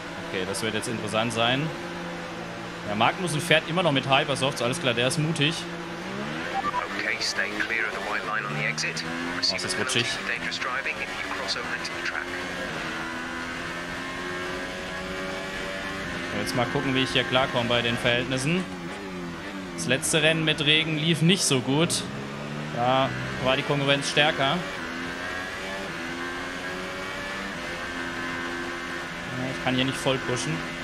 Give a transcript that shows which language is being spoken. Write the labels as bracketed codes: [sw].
[de] Okay, das wird jetzt interessant sein. Ja, Magnussen fährt immer noch mit Hypersofts, alles klar, der ist mutig. [en] Okay, stay clear of the white line on the exit. [de] Das ist rutschig. [en] Dangerous driving if you cross over into the track. [de] Jetzt mal gucken, wie ich hier klarkomme bei den Verhältnissen. Das letzte Rennen mit Regen lief nicht so gut. Da war die Konkurrenz stärker. Ich kann hier nicht voll pushen.